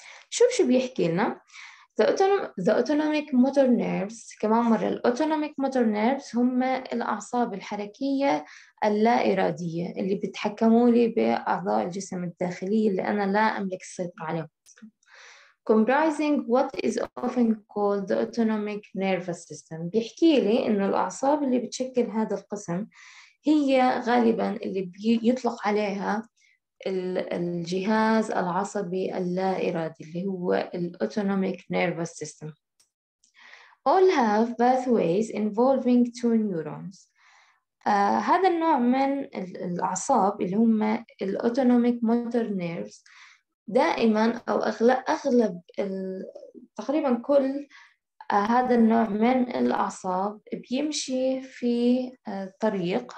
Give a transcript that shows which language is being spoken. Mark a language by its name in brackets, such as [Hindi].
[Arabic] شوف شو بيحكي لنا the autonomic motor nerves. كمان مرة، the autonomic motor nerves هم الأعصاب الحركية اللا إرادية اللي بتحكموا لي بأعضاء الجسم الداخلية اللي أنا لا أملك السيطرة عليهم. [English] Comprising what is often called the autonomic nervous system. [Arabic] بيحكي لي إنه الأعصاب اللي بتشكل هذا القسم هي غالباً اللي بيطلق عليها الجهاز العصبي اللا إرادي اللي هو autonomic nervous system. [English] All have pathways involving two neurons. [Arabic] هذا النوع من الأعصاب اللي هم autonomic motor nerves دائما او اغلب تقريبا كل هذا النوع من الاعصاب بيمشي في طريق.